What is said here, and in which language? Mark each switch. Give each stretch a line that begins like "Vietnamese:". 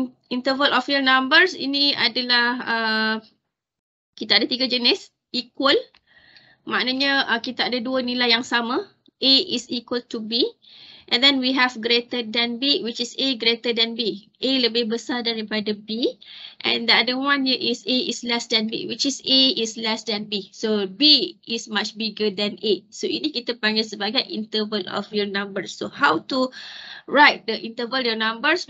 Malay: Interval of real numbers ini adalah kita ada tiga jenis. Equal, maknanya kita ada dua nilai yang sama.
English: A is equal to B. And then we have greater than B, which is A greater than B.
Malay: A lebih besar daripada B.
English: And the other one here is A is less than B, which is A is less than B. So B is much bigger than A.
Malay: So ini kita panggil sebagai
English: interval of real numbers. So how to write the interval real numbers?